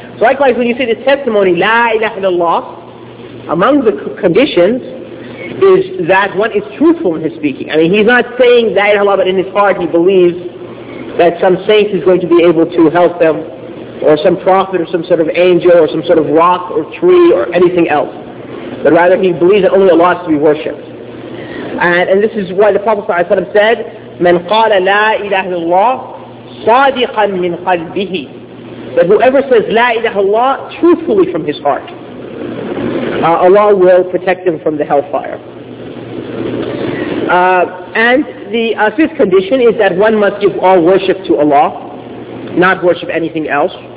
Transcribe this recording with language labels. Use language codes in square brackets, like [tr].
[en] So likewise, when you say the testimony, La ilaha illallah, among the conditions is that one is truthful in his speaking. I mean, he's not saying La ilaha illallah, but in his heart he believes that some saint is going to be able to help them, or some prophet, or some sort of angel, or some sort of rock, or tree, or anything else. But rather, he believes that only Allah is to be worshipped. And this is why the Prophet ﷺ said, [ar] مَنْ قَالَ لَا إِلَهَ اللَّهِ صَادِقًا مِّنْ قَلْبِهِ. [en] That whoever says La ilaha illallah truthfully from his heart, Allah will protect him from the hellfire. And the fifth condition is that one must give all worship to Allah, not worship anything else.